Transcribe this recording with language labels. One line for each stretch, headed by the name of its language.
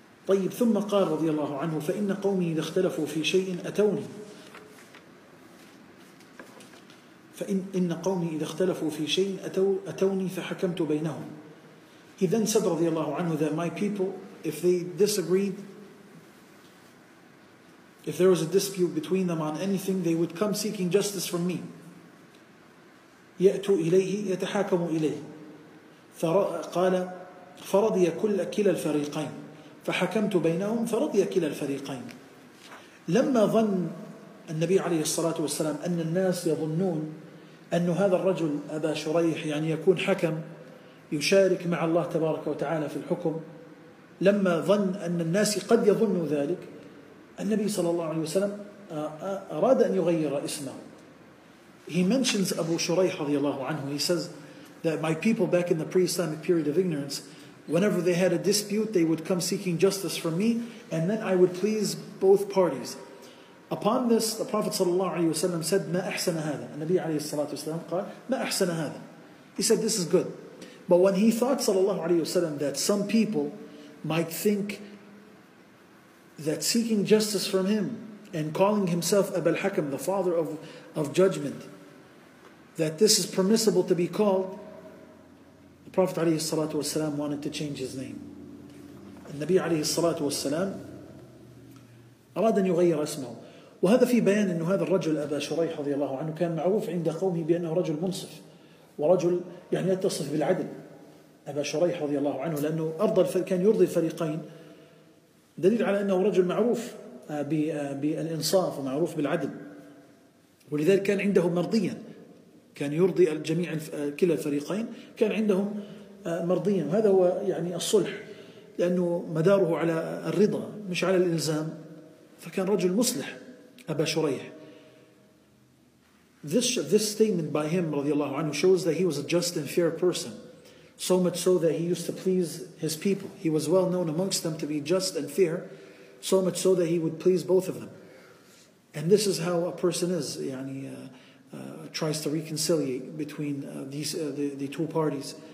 Arabic: طيب ثم قال رضي الله عنه فإن قومي إذا اختلفوا في شيء أتوني فإن قومي إذا اختلفوا في شيء أتوني فحكمت بينهم.
English: He then said
Arabic: رضي الله عنه
English: that my people, if they disagreed, if there was a dispute between them on anything, they would come seeking justice from me.
Arabic: يأتوا إليه يتحاكموا إليه. فقال فرضي كلا الفريقين فحكمت بينهم فرضي كلا الفريقين. لما ظن النبي عليه الصلاة والسلام أن الناس يظنون أن هذا الرجل أبا شريح يعني يكون حكم يشارك مع الله تبارك وتعالى في الحكم، لما ظن أن الناس قد يظنوا ذلك، النبي صلى الله عليه وسلم أراد أن يغير اسمه.
English: He mentions أبو شريح
Arabic: رضي الله عنه.
English: He says that my people back in the pre-Islamic period of ignorance, whenever they had a dispute, they would come seeking justice from me, and then I would please both parties. Upon this, the Prophet
Arabic: صلى الله عليه وسلم
English: said,
Arabic: ما أحسن هذا. النبي عليه الصلاة والسلام قال, ما أحسن هذا.
English: He said, this is good. But when he thought
Arabic: صلى الله عليه وسلم
English: that some people might think that seeking justice from him and calling himself Abul Hakam, the father of judgment, that this is permissible to be called, the Prophet
Arabic: عليه الصلاة والسلام
English: wanted to change his name.
Arabic: النبي عليه الصلاة والسلام أراد أن يغير اسمه. وهذا في بيان أن هذا الرجل أبا شريح رضي الله عنه كان معروف عند قومه بأنه رجل منصف ورجل يعني يتصف بالعدل. أبا شريح رضي الله عنه لأنه أرضى كان يرضي الفريقين، دليل على أنه رجل معروف بالإنصاف ومعروف بالعدل، ولذلك كان عندهم مرضيا، كان يرضي الجميع كلا الفريقين، كان عندهم مرضيا، وهذا هو يعني الصلح، لأنه مداره على الرضا مش على الإلزام، فكان رجل مصلح أبا شريح.
English: This statement by him
Arabic: رضي الله عنه
English: shows that he was a just and fair person, so much so that he used to please his people. He was well known amongst them to be just and fair, so much so that he would please both of them. And this is how a person is, يعني tries to reconciliate between the two parties.